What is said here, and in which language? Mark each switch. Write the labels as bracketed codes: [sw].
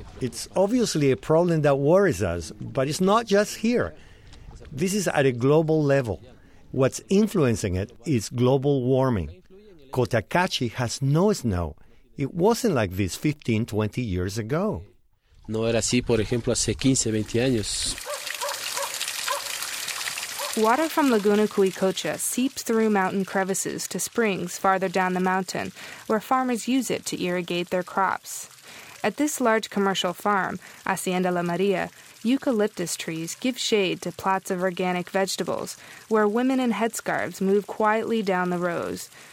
[en] It's obviously a problem that worries us, but it's not just here. This is at a global level. What's influencing it is global warming. Cotacachi has no snow. It wasn't like this 15, 20 years ago. [es] No era así, por ejemplo, hace 15, 20 años. [en] Water from Laguna Cuicocha seeps through mountain crevices to springs farther down the mountain, where farmers use it to irrigate their crops. At this large commercial farm, Hacienda La Maria, eucalyptus trees give shade to plots of organic vegetables, where women in headscarves move quietly down the rows.